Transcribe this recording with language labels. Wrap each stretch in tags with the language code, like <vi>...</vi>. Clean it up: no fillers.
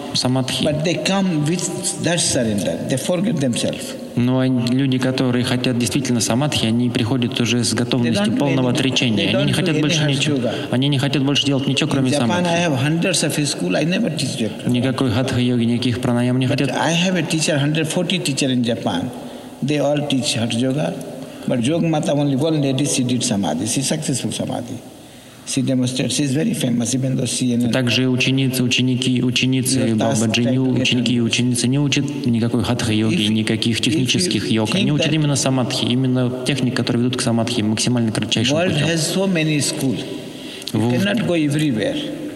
<en>But they come with that surrender. They forget themselves.</en> <ru>Но люди, которые хотят действительно самадхи, они приходят уже с готовностью полного отречения. Они не хотят больше ничего. Они не хотят больше делать ничего, кроме самадхи. Никакой хатха-йоги, никаких пранаям не хотят.</ru> <en>I have a teacher, 140 teacher in Japan. They all teach hatha-yoga. But Yoga Mata, only one lady, she did samadhi. She successful samadhi. She demonstrated. She is very famous, even though she...</en> <ru>Также ученицы, ученики, ученицы, бабаджи, ученики и ученицы не учат никакой хатха-йоги, никаких технических йог. Они учат именно самадхи, именно техник, которые ведут к самадхи, максимально кратчайшим путем.</ru> <en>World has so many schools. You cannot go everywhere.</en>